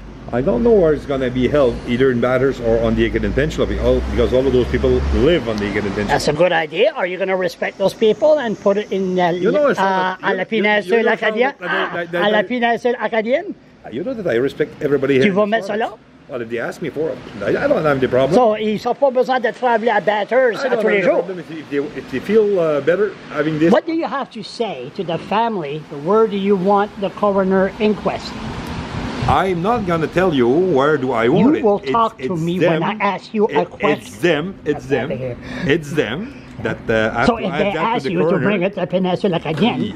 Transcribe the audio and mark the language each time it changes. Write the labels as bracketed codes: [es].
[en] I don't know where it's going to be held, either in Batters or on the Aiken Peninsula, because all of those people live on the Aiken Peninsula. That's a good idea. Are you going to respect those people and put it in [fr] la péninsule acadienne? La péninsule acadienne? [en] You know that I respect everybody [fr] here. Tu vas mettre cela? [en] Well, if they ask me for it, I don't have the problem. [fr] So, ils n'ont pas besoin de travailler à Batters tous les jours? [en] I don't have the problem. If they feel better having this. What do you have to say to the family? Where do you want the coroner inquest? I'm not going to tell you where do I want it. You will talk to me when I ask you a question. It's them. It's them. That so if they ask you to bring it to Peninsula Acadienne,